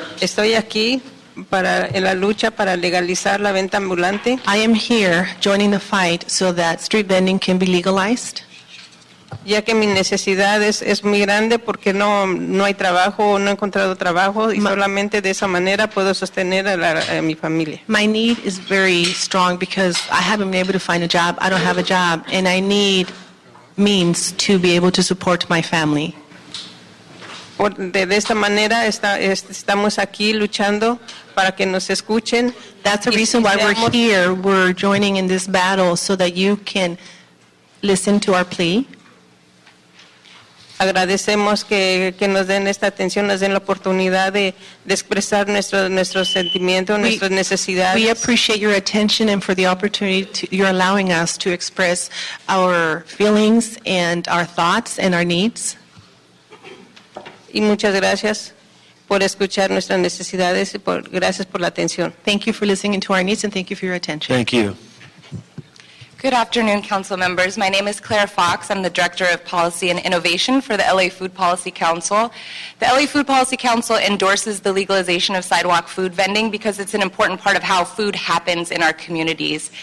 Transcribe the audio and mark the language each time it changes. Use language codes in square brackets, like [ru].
[es] Estoy aquí para en la lucha para legalizar la venta ambulante. [en] I am here joining the fight so that street vending can be legalized. [es] Ya que mi necesidad es muy grande porque no hay trabajo, no he encontrado trabajo y solamente de esa manera puedo sostener a mi familia. [en] My need is very strong because I haven't been able to find a job. I don't have a job and I need means to be able to support my family. [es] De esta manera estamos aquí luchando para que nos escuchen. [en] That's the reason why we're here. We're joining in this battle so that you can listen to our plea. [es] Agradecemos que nos den esta atención, nos den la oportunidad de expresar nuestro sentimiento, nuestras necesidades. [en] We appreciate your attention and for the opportunity you're allowing us to express our feelings and our thoughts and our needs. [es] Y muchas gracias por escuchar nuestras necesidades y gracias por la atención. [en] Thank you for listening to our needs and thank you for your attention. Thank you. Good afternoon, Council members. My name is Claire Fox. I'm the Director of Policy and Innovation for the LA Food Policy Council. The LA Food Policy Council endorses the legalization of sidewalk food vending because it's an important part of how food happens in our communities.